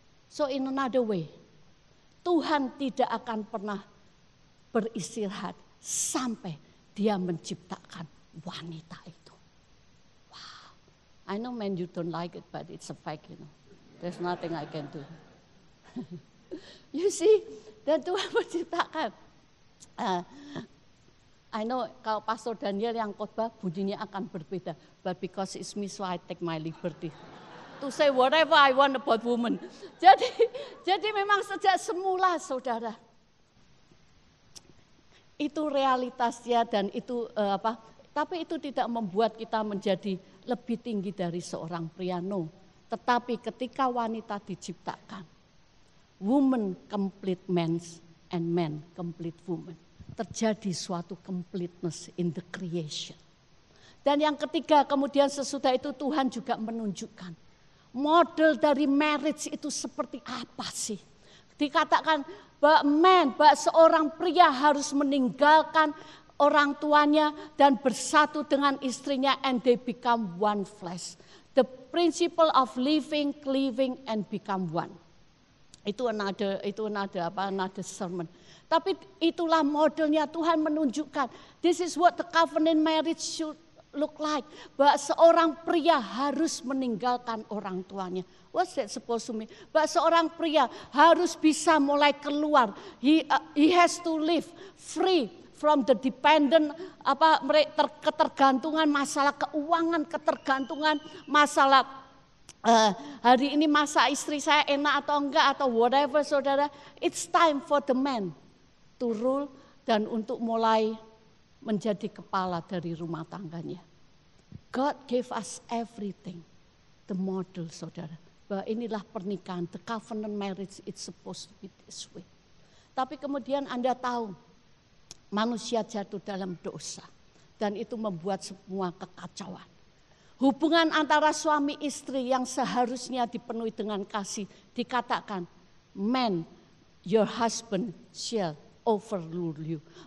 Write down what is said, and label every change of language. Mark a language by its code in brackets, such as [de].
[en] So in another way, [id] Tuhan tidak akan pernah beristirahat sampai dia menciptakan wanita itu. [en] Wow, I know men you don't like it, but it's a fact, you know. There's nothing I can do. You see, [id] dan Tuhan menciptakan. [en] I know [id] kalau Pastor Daniel yang khotbah bunyinya akan berbeda, [en] but because it's me, so I take my liberty to say whatever I want about woman. [id] Jadi memang sejak semula, saudara, itu realitasnya dan itu Tapi itu tidak membuat kita menjadi lebih tinggi dari seorang pria. [en] No. [id] Tetapi ketika wanita diciptakan, [en] woman complete man and man complete woman. [id] Terjadi suatu [en] completeness in the creation. [id] Dan yang ketiga, kemudian sesudah itu Tuhan juga menunjukkan model dari marriage itu seperti apa sih. Dikatakan seorang pria harus meninggalkan orang tuanya dan bersatu dengan istrinya [en] and they become one flesh. The principle of living, cleaving and become one. Itu another sermon. [id] Tapi itulah modelnya Tuhan menunjukkan. [en] This is what the covenant marriage should look like. [id] Bahwa seorang pria harus meninggalkan orang tuanya. [en] What's that supposed to mean? [id] Bahwa seorang pria harus bisa mulai keluar. [en] He has to live free from the dependent, [id] ketergantungan masalah keuangan, ketergantungan masalah hari ini masa istri saya enak atau enggak, atau whatever, saudara. [en] It's time for the man to rule [id] dan untuk mulai menjadi kepala dari rumah tangganya. [en] God gave us everything, the model, saudara. [id] Bahwa inilah pernikahan, [en] the covenant marriage, it's supposed to be this way. [id] Tapi kemudian Anda tahu, manusia jatuh dalam dosa. Dan itu membuat semua kekacauan. Hubungan antara suami istri yang seharusnya dipenuhi dengan kasih, dikatakan, [en] man, your husband shall overrule you.